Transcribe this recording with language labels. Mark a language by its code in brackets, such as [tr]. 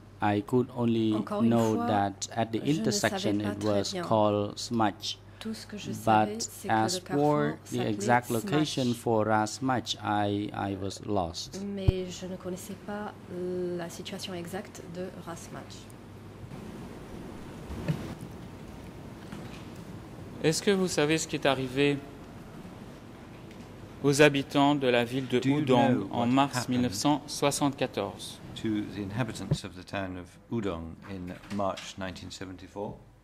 [en] I could only know that at the intersection it was called Smatch. But as for the exact location for Rasmach, I was lost. [fr] Mais je ne connaissais pas la situation exacte de Rasmach. Est-ce que vous savez ce qui est arrivé aux habitants de la ville de Udong en mars 1974? [en] To the inhabitants of the town of Udong in March 1974.